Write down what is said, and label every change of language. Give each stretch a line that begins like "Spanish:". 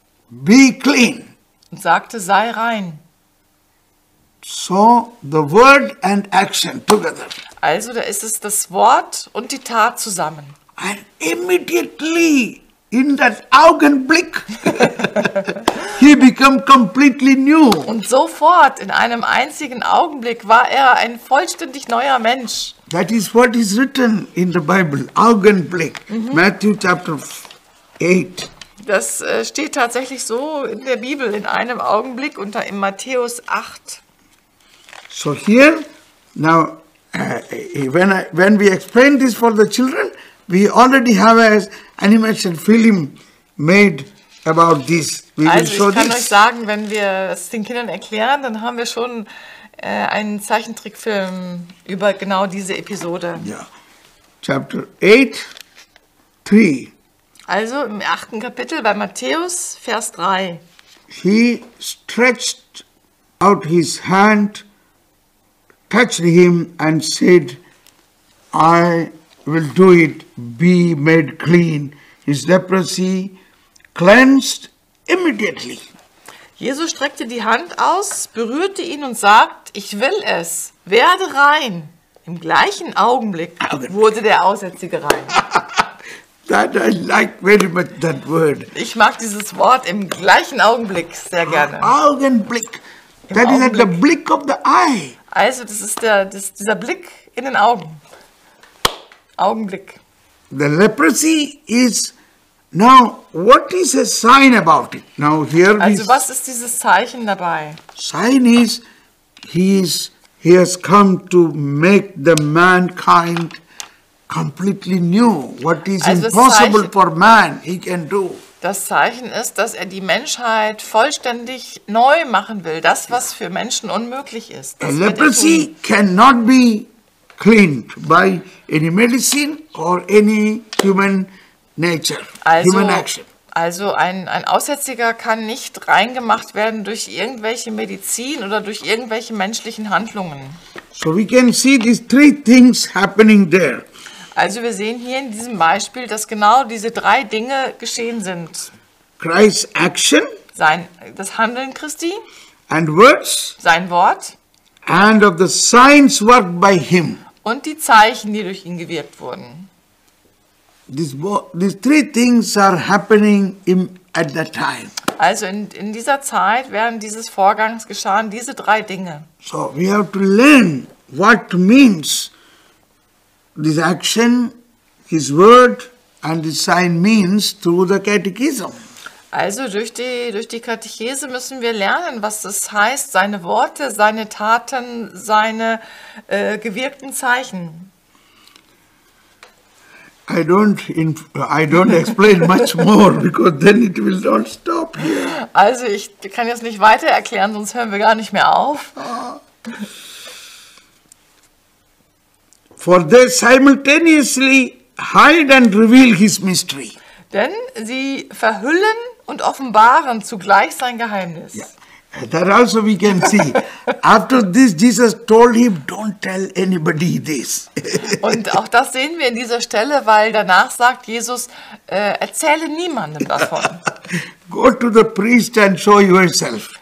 English: Be clean.
German: Und sagte, sei rein.
English: So the word and action together.
German: Also da ist es das Wort und die Tat zusammen.
English: And immediately in that Augenblick he became completely new.
German: Und sofort in einem einzigen Augenblick war er ein vollständig neuer Mensch.
English: That is what is written in the Bible, Augenblick, Matthew chapter 8.
German: Das steht tatsächlich so in der Bibel, in einem Augenblick unter in Matthäus 8.
English: So here now when we explain this for the children, we already have a animation film made about this. We will also show this.
German: Ich kann euch sagen, wenn wir es den Kindern erklären, dann haben wir schon einen Zeichentrickfilm über genau diese Episode.
English: Ja. Chapter 8, 3.
German: Also im 8. Kapitel bei Matthäus, Vers 3.
English: He stretched out his hand, touched him and said, I will do it, be made clean. His leprosy cleansed immediately.
German: Jesus streckte die Hand aus, berührte ihn und sagt, ich will es, werde rein. Im gleichen Augenblick wurde der Aussätzige rein.
English: That I like very much that word.
German: Ich mag dieses Wort im gleichen Augenblick sehr gerne. Augenblick.
English: That is the blick of the eye.
German: Also, das ist dieser Blick in den Augen. Augenblick.
English: The leprosy is now, what is a sign about it? Now here
German: also, was ist dieses Zeichen dabei?
English: Sign is, he has come to make the mankind completely new. What is
German: also
English: impossible
German: Zeichen,
English: for man, he can do.
German: Das Zeichen ist, dass er die Menschheit vollständig neu machen will. Das, was für Menschen unmöglich ist.
English: A leprosy cannot be cleaned by any medicine or any human nature,
German: also,
English: human action.
German: Also ein Aussätziger kann nicht reingemacht werden durch irgendwelche Medizin oder durch irgendwelche menschlichen Handlungen.
English: So we can see these three things happening there.
German: Also wir sehen hier in diesem Beispiel, dass genau diese drei Dinge geschehen sind.
English: Christ's action,
German: das Handeln Christi,
English: and words,
German: sein Wort,
English: and of the signs worked by him,
German: und die Zeichen, die durch ihn gewirkt wurden.
English: These three things are happening at that time.
German: Also in dieser Zeit während dieses Vorgangs geschahen diese drei Dinge.
English: So we have to learn what means this action, his word and his sign means through the catechism.
German: Also durch die Katechese müssen wir lernen, was das heißt, seine Worte, seine Taten, seine gewirkten Zeichen.
English: I don't explain much more because then it will not stop here.
German: Also ich kann jetzt nicht weiter erklären, sonst hören wir gar nicht mehr auf.
English: For they simultaneously hide and reveal his mystery.
German: Denn sie verhüllen und offenbaren zugleich sein Geheimnis.
English: Yeah. That also we can see. After this, Jesus told him, don't tell anybody this.
German: Und auch das sehen wir in dieser Stelle, weil danach sagt Jesus, erzähle niemandem davon.
English: Go to the priest and show yourself.